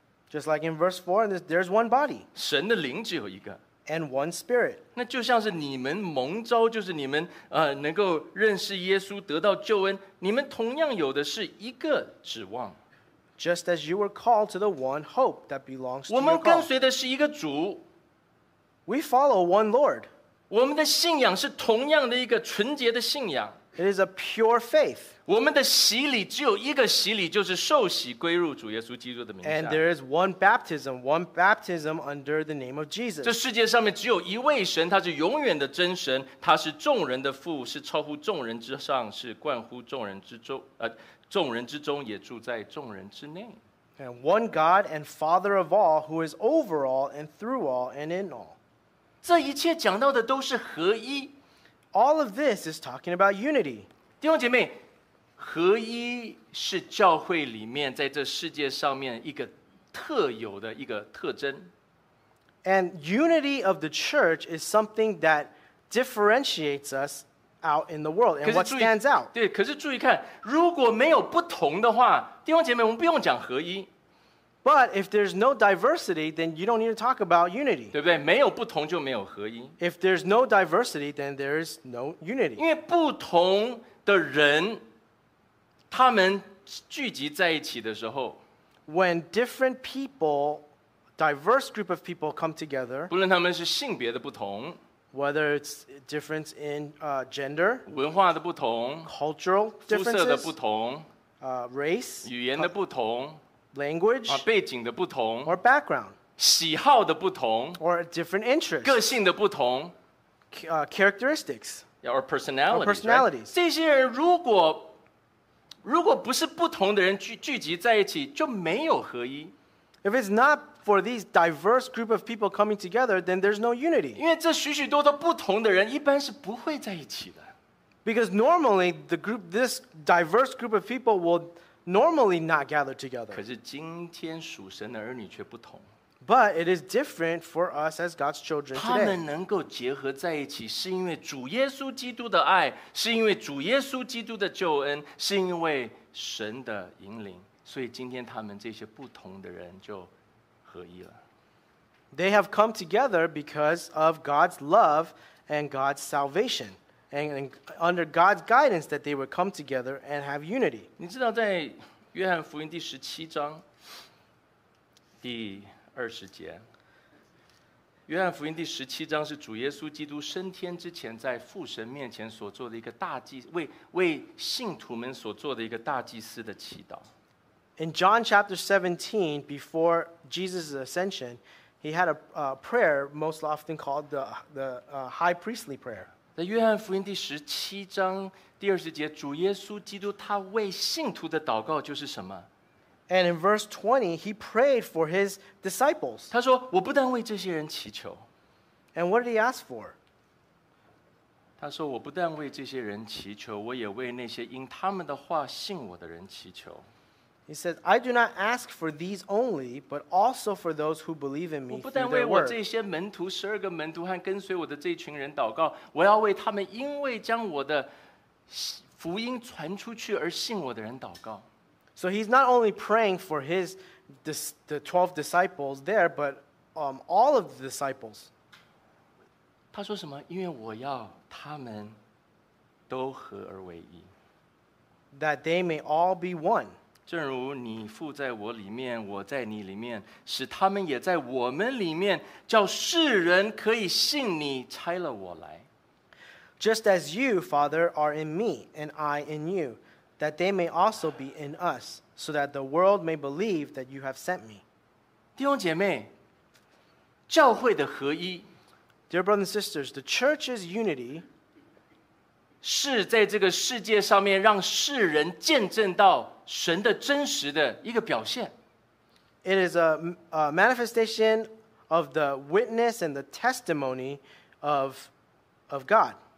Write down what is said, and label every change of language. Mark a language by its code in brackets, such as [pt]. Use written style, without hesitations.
[en] Just like in verse 4, there's one body. [zh] 神的灵只有一个。 [en] And one spirit. [zh] 那就像是你们蒙召，就是你们能够认识耶稣，得到救恩，你们同样有的是一个指望。 [en] Just as you were called to the one hope that belongs to your call. [zh] 我们跟随的是一个主。 [en] We follow one Lord. [zh] 我们的信仰是同样的一个纯洁的信仰。 [en] It is a pure faith. [zh] 我们的洗礼只有一个洗礼，就是受洗归入主耶稣基督的名下。 [en] And there is one baptism under the name of Jesus. [zh] 这世界上面只有一位神，他是永远的真神，他是众人的父，是超乎众人之上，是冠乎众人之中，众人之中也住在众人之内。 [en] And one God and Father of all, who is over all and through all and in all. [zh] 这一切讲到的都是合一。 [en] All of this is talking about unity. [zh] 弟兄姐妹，合一是教会里面在这世界上面一个特有的一个特征。 [en] And unity of the church is something that differentiates us out in the world and what stands out. [zh] 对，可是注意看，如果没有不同的话，弟兄姐妹，我们不用讲合一。 [en] But if there's no diversity, then you don't need to talk about unity. [zh] 对不对？没有不同就没有合一。 [en] If there's no diversity, then there's no unity. [zh] 因为不同的人，他们聚集在一起的时候 [en] ，when different people, diverse group of people come together, [zh] 不论他们是性别的不同 [en] ，whether it's difference in gender, [zh] 文化的不同 [en] ，cultural differences, [zh] 肤色的不同 [en] ，race, [zh] 语言的不同。 [en] Language, [zh] 背景的不同 [en] or background, [zh] 喜好的不同 [en] or different interests, [zh] 个性的不同 [en] characteristics, yeah, or personalities, or personalities.、 Right? [zh] 这些人如果不是不同的人聚集在一起，就没有合一。 [en] If it's not for these diverse group of people coming together, then there's no unity. [zh] 因为这许许多多不同的人一般是不会在一起的。 [en] Because normally this diverse group of people will normally not gathered together. [zh] 可是今天属神的儿女却不同。 [en] But it is different for us as God's children today. [zh] 他们能够结合在一起，是因为主耶稣基督的爱，是因为主耶稣基督的救恩，是因为神的引领。所以今天他们这些不同的人就合一了。 [en] They have come together because of God's love and God's salvation. And under God's guidance, that they would come together and have unity. [zh] 你知道在约翰福音第十七章第二十节，约翰福音第十七章是主耶稣基督升天之前在父神面前所做的一个大祭，为信徒们所做的一个大祭司的祈祷。 [en] In John chapter 17, before Jesus' ascension, he had a prayer most often called the high priestly prayer. [zh] 在约翰福音第十七章第二十节，主耶稣基督他为信徒的祷告就是什么 [en] ？And in verse 20, he prayed for his disciples. [zh] 他说：“我不但为这些人祈求。 [en] ”And what did he ask for? [zh] 他说我不但为这些人祈求，我也为那些因他们的话信我的人祈求。 [en] He says, I do not ask for these only, but also for those who believe in me through their word. [zh] 我不但为我这些门徒，十二个门徒和跟随我的这群人祷告，我要为他们因为将我的福音传出去而信我的人祷告。 [en] So he's not only praying for his, the 12 disciples there, but all of the disciples. [zh] 他说什么？因为我要他们都合而为一。 [en] That they may all be one. [zh] 正如你父在我里面，我在你里面，使他们也在我们里面，叫世人可以信你差了我来。 [en] Just as you, Father, are in me, and I in you, that they may also be in us, so that the world may believe that you have sent me. [zh] 弟兄姐妹，教会的合一 [en] ，Dear brothers and sisters, the church's unity. [zh] 是在这个世界上面让世人见证到。神的真实的一个表现 [en] It is a manifestation of the witness and the testimony of God.